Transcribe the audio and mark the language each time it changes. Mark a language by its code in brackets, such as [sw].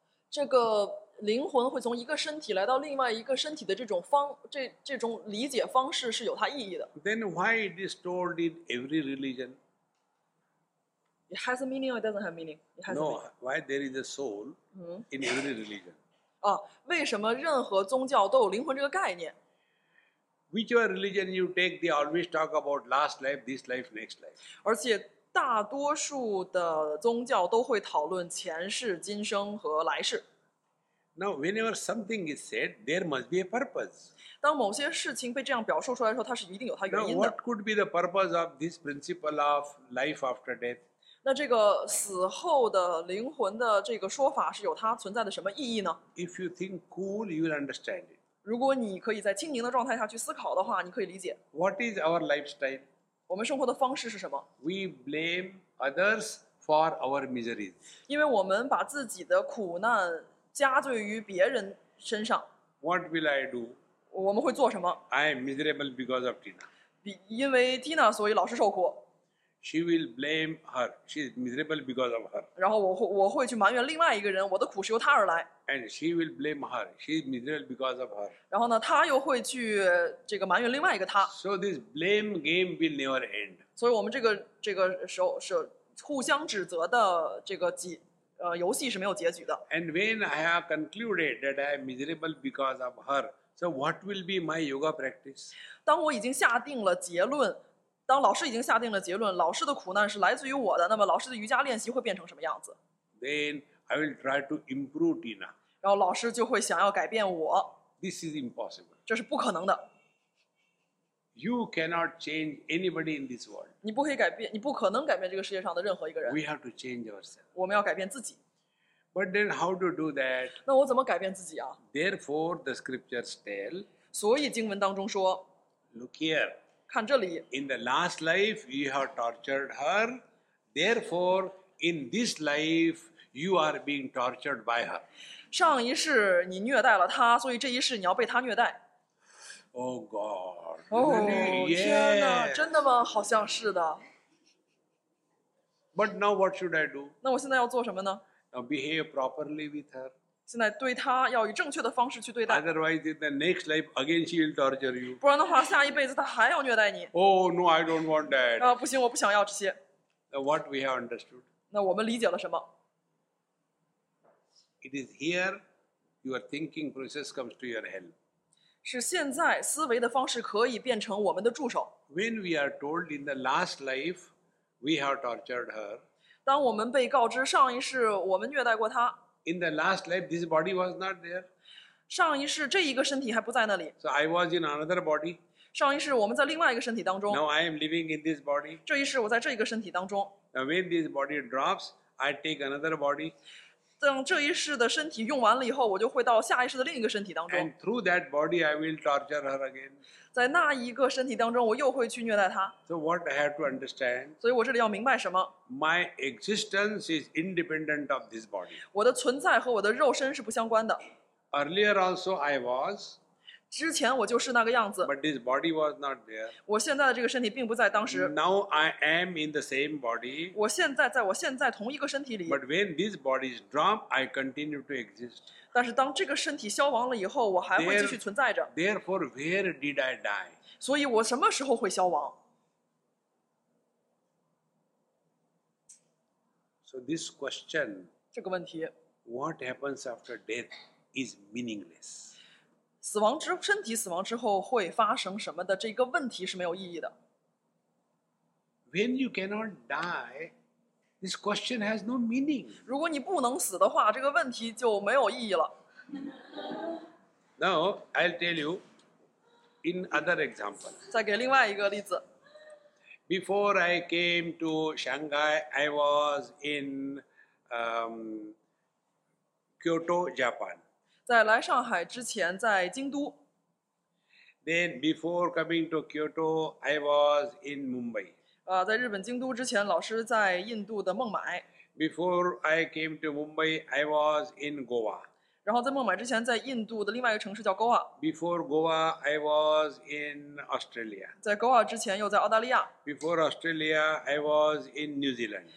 [zh] 这个灵魂会从一个身体来到另外一个身体的这种理解方式是有它意义的。 [en] Then why it is told in every religion? It has a meaning or it doesn't have meaning. No, why there is a soul in every religion? [zh] 为什么任何宗教都有灵魂这个概念 [en] ？Whichever religion you take, they always talk about last life, this life, next life. [zh] 而且大多数的宗教都会讨论前世、今生和来世。 [en] Now, whenever something is said, there must be a purpose. [zh] 当某些事情被这样表述出来的时候，它是一定有它原因的。 [en] Now, what could be the purpose of this principle of life after death? [zh] 那这个死后的灵魂的这个说法是有它存在的什么意义呢 [en] ？If you think cool, you will understand it. [zh] 如果你可以在清明的状态下去思考的话，你可以理解。 [en] What is our lifestyle? [zh] 我们生活的方式是什么 [en] ？We blame others for our miseries. [zh] 因为我们把自己的苦难加罪于别人身上。 [en] What will I do? [zh] 我们会做什么 [en] ？I am miserable because of Tina. [zh] 因为 Tina 所以老是受苦。 [en] She will blame her. She is miserable because of her. [zh] 然后我会去埋怨另外一个人，我的苦是由他而来。 [en] And she will blame her. She is miserable because of her. [zh] 然后呢，他又会去这个埋怨另外一个他。 [en] So this blame game will never end. [zh] 所以我们这个是互相指责的这个游戏是没有结局的。 [en] And when I have concluded that I am miserable because of her, so what will be my yoga practice? [zh] 当我已经下定了结论。当老师已经下定了结论，老师的苦难是来自于我的，那么老师的瑜伽练习会变成什么样子 [en] ？Then I will try to improve Tina. [zh] 然后老师就会想要改变我。 [en] This is impossible. [zh] 这是不可能的。 [en] You cannot change anybody in this world. [zh] 你不可以改变，你不可能改变这个世界上的任何一个人。 [en] We have to change ourselves. [zh] 我们要改变自己。 [en] But then how to do that? [zh] 那我怎么改变自己啊？ [en] Therefore, the scriptures tell. [zh] 所以经文当中说。 [en] Look here. [zh] 看这里。 [en] In the last life, you have tortured her. Therefore, in this life, you are being tortured by her. [zh] 上一世你虐待了她，所以这一世你要被她虐待。 [en] Oh God! Oh, yes. [zh] 天哪！真的吗？好像是的。 [en] But now what should I do? [zh] 那我现在要做什么呢？ [en] Now behave properly with her. [zh] 现在对她要以正确的方式去对待。 [en] Otherwise, in the next life, again she will torture you. [zh] 不然的话，下一辈子她还要虐待你。 [en] Oh no! I don't want that. [zh] 啊，不行，我不想要这些。 [en] Now what we have understood? [zh] 那我们理解了什么？ [en] It is here your thinking process comes to your help. [zh] 是现在思维的方式可以变成我们的助手。 [en] When we are told in the last life we have tortured her, [zh] 当我们被告知上一世我们虐待过她。 [en] In the last life this body was not there. [zh] 上一世这一个身体还不在那里。 [en] So I was in another body. [zh] 上一世我们在另外一个身体当中。 [en] Now I am living in this body. [zh] 这一世我在这一个身体当中。 [en] Now when this body drops, I take another body. [zh] 等这一世的身体用完了以后，我就会到下一世的另一个身体当中。 [en] And through that body, I will torture her again. [zh] 在那一个身体当中，我又会去虐待她。 [en] So what I have to understand? [zh] 所以我这里要明白什么 [en] ？My existence is independent of this body. [zh] 我的存在和我的肉身是不相关的。 [en] Earlier also I was. [zh] 之前我就是那个样子。 [en] But this body was not there. [zh] 我现在的这个身体并不在当时。 [en] Now I am in the same body. [zh] 我现在在我现在同一个身体里。 [en] But when this body is dropped, I continue to exist. [zh] 但是当这个身体消亡了以后，我还会继续存在着。 [en] Therefore, where did I die? [zh] 所以我什么时候会消亡？ [en] So this question, [zh] 这个问题， [en] what happens after death is meaningless. [zh] 死亡之身体死亡之后会发生什么的这个问题是没有意义的。 [en] When you cannot die, this question has no meaning. [zh] 如果你不能死的话，这个问题就没有意义了。 [en] Now I'll tell you in other example. [zh] 再给另外一个例子。 [en] Before I came to Shanghai, I was in Kyoto, Japan. [zh] 在来上海之前，在京都。 [en] Then before coming to Kyoto, I was in Mumbai. [zh] 在日本京都之前，老师在印度的孟买。 [en] Before I came to Mumbai, I was in Goa. [zh] 然后在孟买之前，在印度的另外一个城市叫 Goa. [en] Before Goa, I was in Australia. [zh] 在 Goa 之前，又在澳大利亚。 [en] Before Australia, I was in New Zealand.